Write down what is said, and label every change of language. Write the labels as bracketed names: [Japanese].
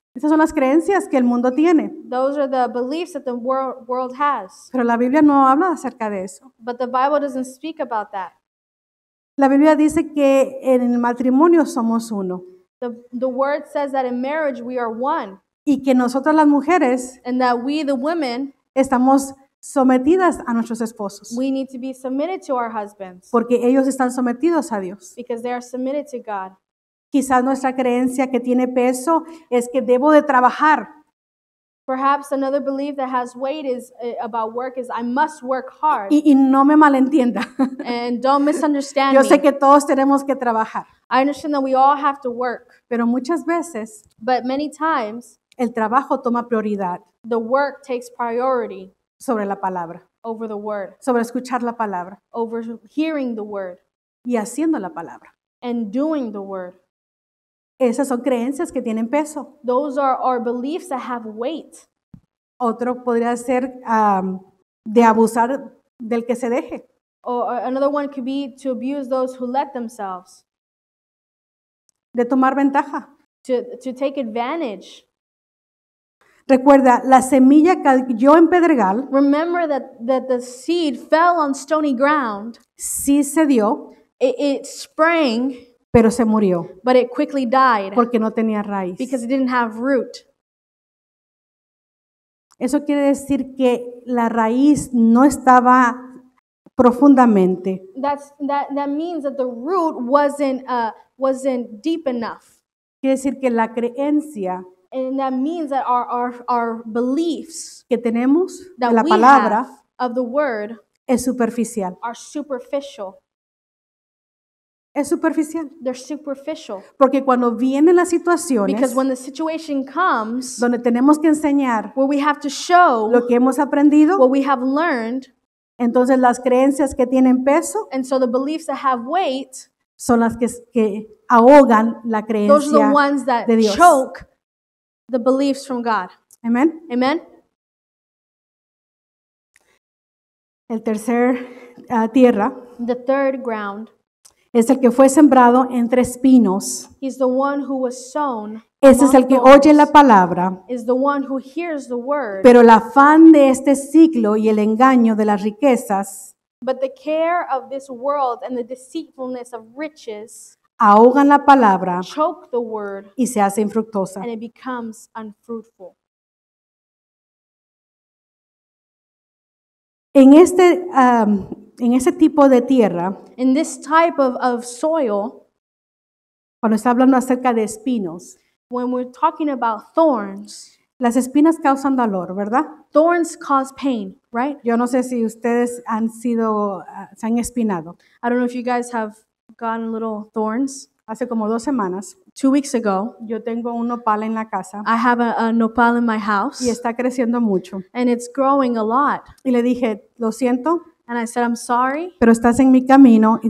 [Spanish] Esas son las creencias que el mundo tiene. [English] Those are the beliefs that the world has. [Spanish] Pero la Biblia no habla acerca de eso. [English] But the Bible doesn't speak about that. [Spanish] La Biblia dice que en el matrimonio somos uno. [English] The word says that in marriage we are one. [Spanish] Y que nosotras las mujeres, [English] and that we, the women, [Spanish] estamos sometidas a nuestros esposos. [English] We need to be submitted to our husbands. [Spanish] Porque ellos están sometidos a Dios. [English] Because they are submitted to God. [Spanish] Quizás nuestra creencia que tiene peso es que debo de trabajar. [English] Perhaps another belief that has weight is about work is I must work hard. [Spanish] Y no me malentienda. [English] And don't misunderstand [Spanish] yo [English] me. [Spanish] Yo sé que todos tenemos que trabajar. [English] I understand that we all have to work. [Spanish] Pero muchas veces, [English] but many times, [Spanish] el trabajo toma prioridad. [English] The work takes priority. [Spanish] Sobre la palabra. [English] Over the word. [Spanish] Sobre escuchar la palabra. [English] Over hearing the word. [Spanish] Y haciendo la palabra. [English] And doing the word. [Spanish] Esas son creencias que tienen peso. [English] Those are our beliefs that have weight. [Spanish] Otro podría ser de abusar del que se deje. [English] Or another one could be to abuse those who let themselves. [Spanish] De tomar ventaja. [English] To take advantage. [Spanish] Recuerda, la semilla cayó en pedregal. [English] Remember that the seed fell on stony ground. [Spanish] Sí se dio. [English] It sprang. [Spanish] Pero se murió. [English] But it quickly died. [Spanish] Porque no tenía raíz. [English] Because it didn't have root. [Spanish] Eso quiere decir que la raíz no estaba profundamente. [English] That means that the root wasn't deep enough. [Spanish] Quiere decir que la creencia. [English] And that means that our beliefs. [Spanish] Que tenemos. [English] That [Spanish] la palabra. [English] Have of the word. [Spanish] Es superficial. [English] Are superficial. [Spanish] Es superficial. [English] They're superficial. [Spanish] Porque cuando vienen las situaciones. [English] Because when the situation comes. [Spanish] Donde tenemos que enseñar. [English] Where we have to show. [Spanish] Lo que hemos aprendido. [English] What we have learned. [Spanish] Entonces las creencias que tienen peso. [English] And so the beliefs that have weight. [Spanish] Son las que ahogan la creencia de Dios. [English] Those are the ones that choke the beliefs from God. [Spanish] Amen. [English] Amen. [Spanish] El tercer tierra. [English] The third ground. [Spanish] Es el que fue sembrado entre espinos. [English] He's the one who was sown. [Spanish] Ese es el que oye la palabra. [English] Is the one who hears the word. [Spanish] Pero el afán de este siglo y el engaño de las riquezas. [English] But the care of this world and the deceitfulness of riches. [Spanish] Ahogan la palabra. [English] Choke the word. [Spanish] Y se hace infructuosa. [English] And it becomes unfruitful. [Spanish] En ese tipo de tierra, [English] in this type of soil, [Spanish] cuando está hablando acerca de espinos, [English] when we're talking about thorns, [Spanish] las espinas causan dolor, ¿verdad? [English] Thorns cause pain, right? [Spanish] Yo no sé si ustedes han sido, se han espinado. [English] I don't know if you guys have gotten little thorns. [Spanish] Hace como dos semanas, [English] 2 weeks ago, [Spanish] yo tengo un nopal en la casa. [English] I have a nopal in my house. [Spanish] Y está creciendo mucho. [English] And it's growing a lot. [Spanish] Y le dije, lo siento. [English] And I said, I'm sorry, [Spanish] pero estás en mi camino y te